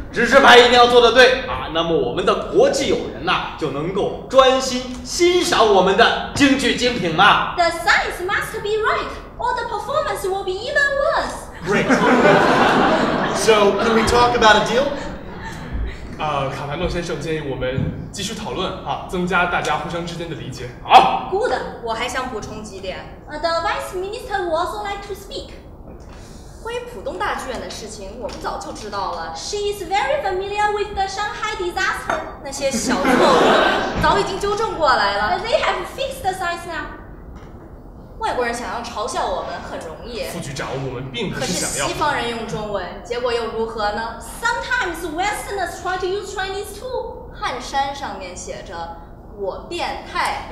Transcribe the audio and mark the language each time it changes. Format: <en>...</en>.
<zh>指示牌一定要做得对啊，那么我们的国际友人呐、啊，就能够专心欣赏我们的京剧精品嘛。</zh> <en>The signs must be right, or the performance will be even worse. Great. So, can we talk about a deal?</en> <zh>卡凡诺先生建议我们继续讨论啊，增加大家互相之间的理解。好。</zh> <en>Good.</en> <zh>我还想补充几点。</zh> <en>The vice minister would also like to speak.</en> <zh>关于浦东大剧院的事情，我们早就知道了。</zh> <en>She is very familiar with the Shanghai disaster.</en> <zh>那些小错误早已经纠正过来了。</zh> <en>They have fixed the signs now.</en> <zh>外国人想要嘲笑我们很容易。副局长，我们并不是想要。可是西方人用中文，结果又如何呢</zh> <en>？Sometimes Westerners try to use Chinese too.</en> <zh>汉山上面写着"我变态"，</zh>